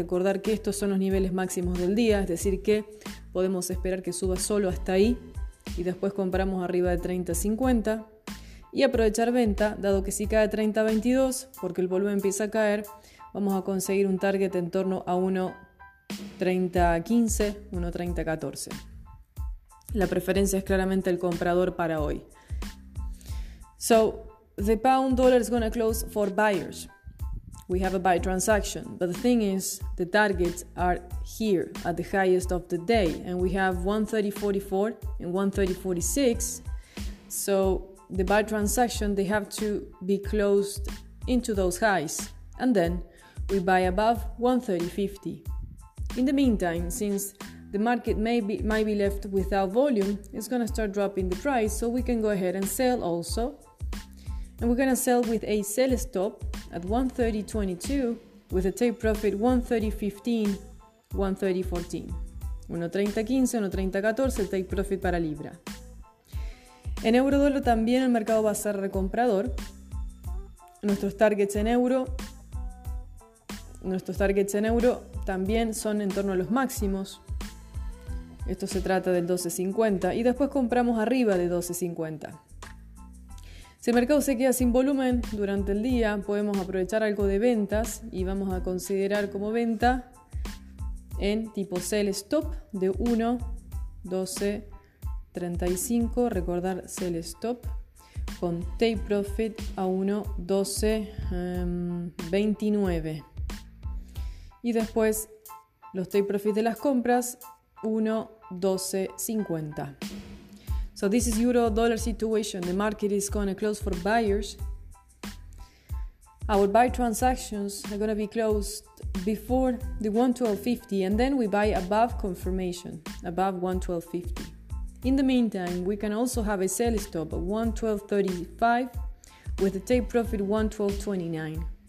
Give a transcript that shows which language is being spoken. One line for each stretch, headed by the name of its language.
Spanish: Recordar que estos son los niveles máximos del día, es decir que podemos esperar que suba solo hasta ahí y después compramos arriba de 3.050 y aprovechar venta, dado que si cae 3.022 porque el volumen empieza a caer, vamos a conseguir un target en torno a 1.3015, 1.3014. La preferencia es claramente el comprador para hoy.
English: So, the pound dollar is going to close for buyers. We have a buy transaction. But the thing is, the targets are here at the highest of the day. And we have 1.3044 and 1.3046. So, the buy transaction, they have to be closed into those highs. And then we buy above 130.50. In the meantime, since the market might be left without volume, it's going to start dropping the price, so we can go ahead and sell also. And we're going to sell with a sell stop at 130.22 with a take profit 130.15, 130.14.
Spanish: 1.3015, 1.3014, take profit para libra. En euro dólar también el mercado va a ser recomprador. Nuestros targets en euro, también son en torno a los máximos. Esto se trata del 12.50 y después compramos arriba de 12.50. Si el mercado se queda sin volumen durante el día, podemos aprovechar algo de ventas y vamos a considerar como venta en tipo sell stop de 1.12.35. Recordar sell stop con take profit a 1.12.29. Y después los take profits de las compras, 1.12.50.
English: So this is euro dollar situation. The market is going to close for buyers. Our buy transactions are going to be closed before the 1.12.50. And then we buy above confirmation, above 1.12.50. In the meantime, we can also have a sell stop at 1.12.35 with a take profit 1.12.29.